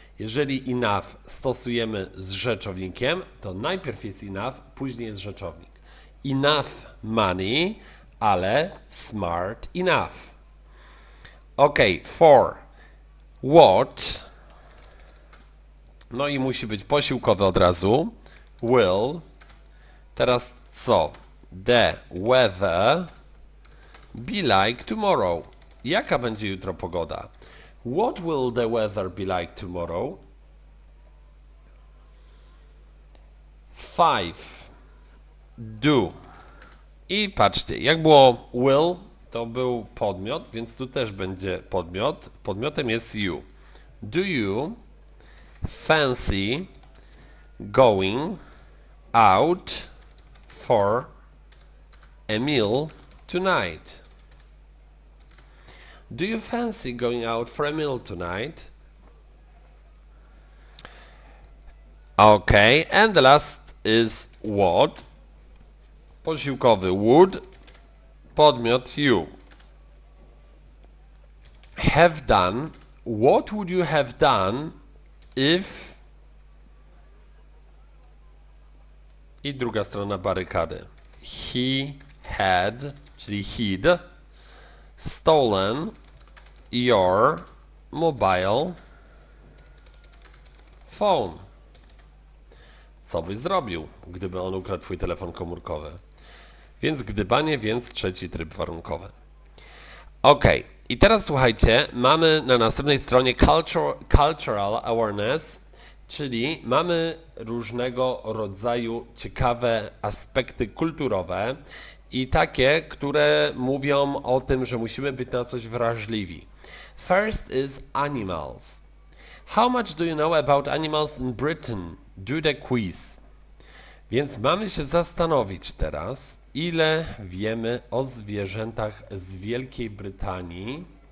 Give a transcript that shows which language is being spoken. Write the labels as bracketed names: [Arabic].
[Polish] Jeżeli enough stosujemy z rzeczownikiem, to najpierw jest enough, później jest rzeczownik. [English] Enough money, ale smart enough. Okay, for what? [Polish] No i musi być posiłkowy od razu. Will. Teraz co? [English] The weather be like tomorrow. [Polish] Jaka będzie jutro pogoda? [English] What will the weather be like tomorrow? Five. Do. [Polish] I patrzcie, jak było will, to był podmiot, więc tu też będzie podmiot. Podmiotem jest you. [English] Do you fancy going out for a meal tonight? Do you fancy going out for a meal tonight? Okay, and the last is what? Posiłkowy would, podmiot you. Have done. What would you have done if. [Polish] I druga strona barykady. [English] He had, czyli he'd, stolen your mobile phone. [Polish] Co byś zrobił, gdyby on ukradł twój telefon komórkowy? Więc gdybanie, więc trzeci tryb warunkowy. Ok, i teraz słuchajcie, mamy na następnej stronie cultural awareness, czyli mamy różnego rodzaju ciekawe aspekty kulturowe i takie, które mówią o tym, że musimy być na coś wrażliwi. [English] First is animals. How much do you know about animals in Britain? Do the quiz. [Polish] Więc mamy się zastanowić teraz. Ile wiemy o zwierzętach z Wielkiej Brytanii?